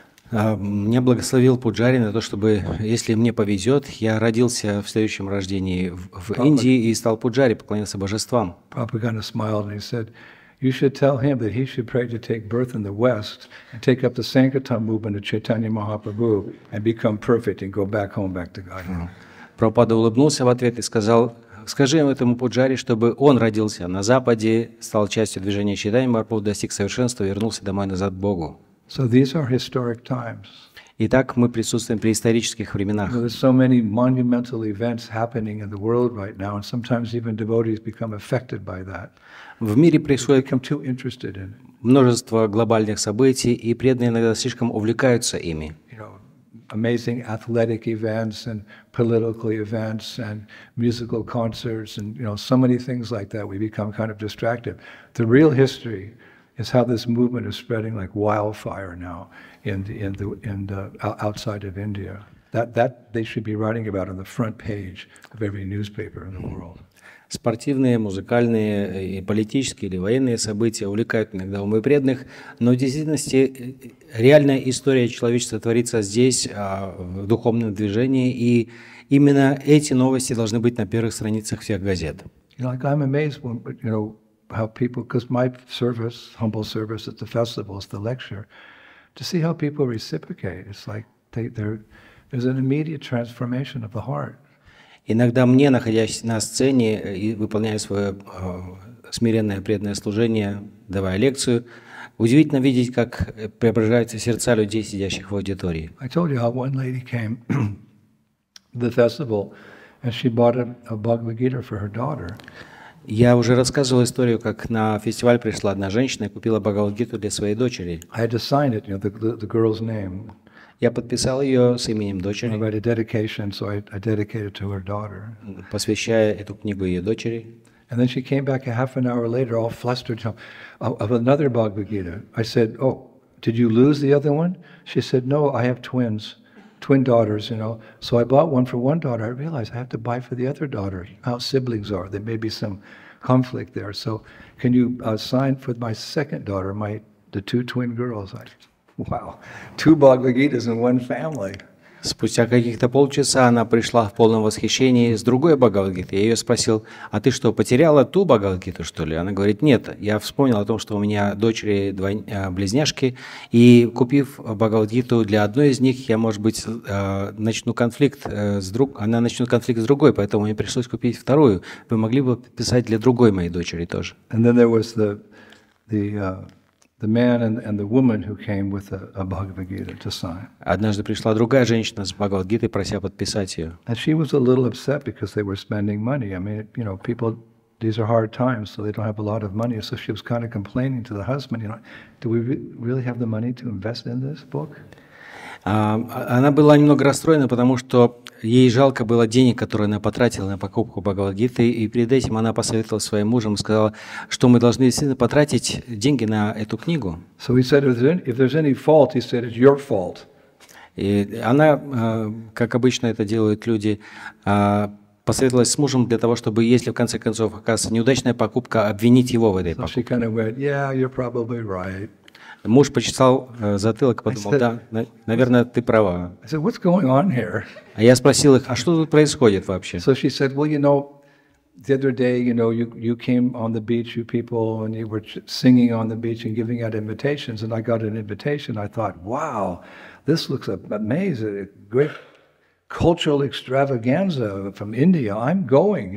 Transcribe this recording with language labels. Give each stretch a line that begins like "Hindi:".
Russian: Меня благословил пуджари на то, чтобы, если мне повезет, я родился в следующем рождении в Индии и стал пуджари, поклонился божествам.
English: Прабхупада smiled and he said, "You should tell him that he should pray to take birth in the West and take up the Sankirtan movement of Chaitanya Mahaprabhu and become perfect and go back home, back to God."
Russian: Прабхупада улыбнулся в ответ и сказал: скажи этому пуджари, чтобы он родился на Западе, стал частью движения Чайтанья Махапрабху, достиг совершенства, вернулся домой назад к Богу.
English: So these are historic times.
Russian: Итак, мы присутствуем при исторических временах.
English: There are so many monumental events happening in the world right now, and sometimes even devotees become affected by that.
Russian: В мире происходит множество глобальных событий, и преданные иногда слишком увлекаются ими.
English: Amazing athletic events and political events and musical concerts and so many things like that. We become kind of distracted. The real history is how this movement is spreading like wildfire now in the outside of India. That they should be writing about on the front page of every newspaper in the world.
Russian: Спортивные, музыкальные, и политические или военные события увлекают иногда умы преданных, но в действительности реальная история человечества творится здесь, в духовном движении, и именно эти новости должны быть на первых страницах всех газет.
English: I'm amazed when, how people, because my service, humble service at the festivals, the lecture, to see how people reciprocate, it's like there's an immediate transformation of the heart.
Russian: Иногда мне, находясь на сцене и выполняя свое смиренное преданное служение, давая лекцию, удивительно видеть, как преображаются сердца людей, сидящих в аудитории.
English: I told you how one lady came to the festival and she bought a Bhagavad Gita for her daughter.
Russian: Я уже рассказывал историю, как на фестиваль пришла одна женщина и купила Бхагавад Гиту для своей дочери.
English: I had to sign it, the girl's name.
Russian: Я подписал ее с именем дочери.
English: I write a dedication, so I dedicated to her daughter.
Russian: Посвящая эту книгу ее дочери.
English: And then she came back a half an hour later, all flustered, of another Bhagavad Gita. I said, "Oh, did you lose the other one?" She said, "No, I have twins, twin daughters, So I bought one for one daughter. I realized I have to buy for the other daughter. How siblings are. There may be some conflict there. So can you sign for my second daughter, the two twin girls?" Wow, two Bhagavad Gitas in one family.
Russian: Спустя каких-то полчаса она пришла в полном восхищении с другой Бхагавад Гитой. Я ее спросил: "А ты что, потеряла ту Бхагавад Гиту, что ли?" Она говорит: "Нет, я вспомнил о том, что у меня дочери близняшки, и купив Бхагавад Гиту для одной из них, я, может быть, начну конфликт с другой, она начнет конфликт с другой, поэтому мне пришлось купить вторую. Вы могли бы писать для другой моей дочери тоже?"
English: And then there was the man and the woman who came with a Bhagavad Gita to sign.
Russian: Однажды пришла другая женщина с Бхагавад Гитой, прося подписать ее.
English: And she was a little upset because they were spending money. I mean, people, these are hard times, so they don't have a lot of money. So she was kind of complaining to the husband, do we really have the money to invest in this book?
Russian: Она была немного расстроена, потому что ей жалко было денег, которые она потратила на покупку Бхагавад Гиты, и перед этим она посоветовала своим мужем и сказала, что мы должны действительно потратить деньги на эту книгу.
English: So he said, if there's any fault, he said, it's your fault.
Russian: И она, как обычно это делают люди, посоветовалась с мужем для того, чтобы, если в конце концов оказывается неудачная покупка, обвинить его в этой покупке.
English: So she kind of went, yeah, you're probably right.
Russian: Муж почесал затылок и подумал, да, наверное, ты права.
English: I said, what's going on here?
Russian: А я спросил их, а что тут происходит вообще?
English: So she said, well, the other day, you came on the beach, you people, and you were singing on the beach and giving out invitations, and I got an invitation. I thought, wow, this looks amazing, great cultural extravaganza from India. I'm going.